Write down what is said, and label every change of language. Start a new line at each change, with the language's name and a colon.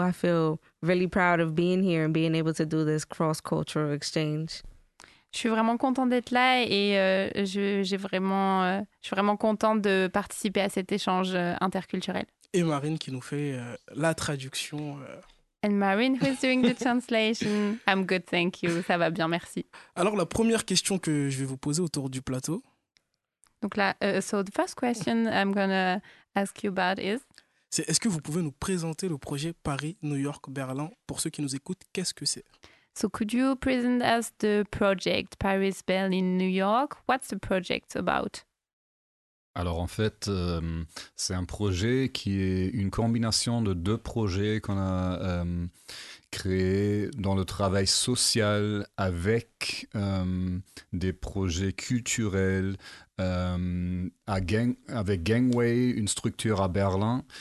English: I feel really proud of being here and being able to do this cross-cultural exchange.
French: Je suis vraiment contente d'être là et je suis vraiment contente de participer à cet échange interculturel. Et Marine qui nous fait la traduction.
English: And Marine who's doing the translation. I'm good, thank you.
French: Ça va bien, merci. Alors la première question que je vais vous poser autour du plateau. Donc là,
English: so the first question I'm gonna ask you about is.
French: C'est est-ce que vous pouvez nous présenter le projet Paris, New York, Berlin pour ceux qui nous écoutent. Qu'est-ce que c'est?
English: So could you present us the project Paris, Berlin, New York? What's the project about?
French: Alors en fait, c'est un projet qui est une combinaison de deux projets qu'on a créés dans le travail social avec des projets culturels avec Gangway, une structure à Berlin.